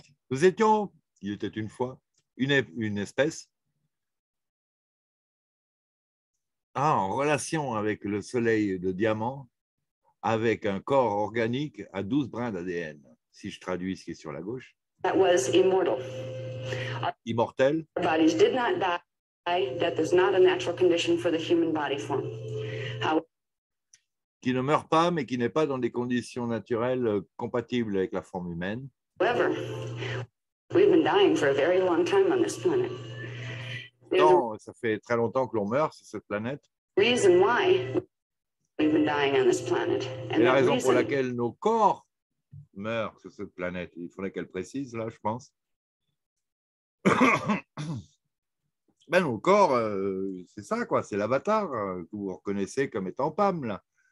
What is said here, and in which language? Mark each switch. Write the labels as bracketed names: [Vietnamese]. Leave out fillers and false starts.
[French] Nous étions, il était une fois, une espèce. Ah, en relation avec le soleil de diamant, avec un corps organique à 12 brins d'ADN, si je traduis ce qui est sur la gauche. [English] That was immortal. [French] Immortel. [English] Our bodies did not die. That is not a natural condition for the human body form. [French] Qui ne meurt pas, mais qui n'est pas dans des conditions naturelles compatibles avec la forme humaine. [English] However, we've been dying for a very long time on this planet. [French] Non, ça fait très longtemps que l'on meurt sur cette planète. Et la raison pour laquelle nos corps meurent sur cette planète, il faudrait qu'elle précise là, je pense. Ben, nos corps, c'est ça, quoi, c'est l'avatar que vous reconnaissez comme étant Pam, là.